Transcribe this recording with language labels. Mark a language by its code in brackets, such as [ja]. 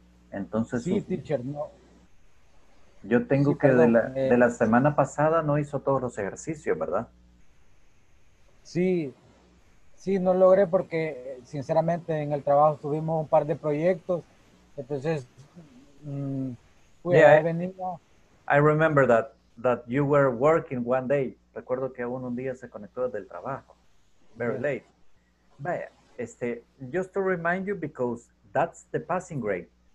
[es] Entonces, sí, teacher, no. Yo tengo sí, que perdón, de la semana pasada no hizo todos los ejercicios, ¿verdad? Sí, no logré porque sinceramente en el trabajo tuvimos un par de proyectos, entonces [en] I remember that you were working one day. [es] Recuerdo que aún un día se conectó desde el trabajo. [en] Very late. Vaya, just to remind you because that's the passing grade.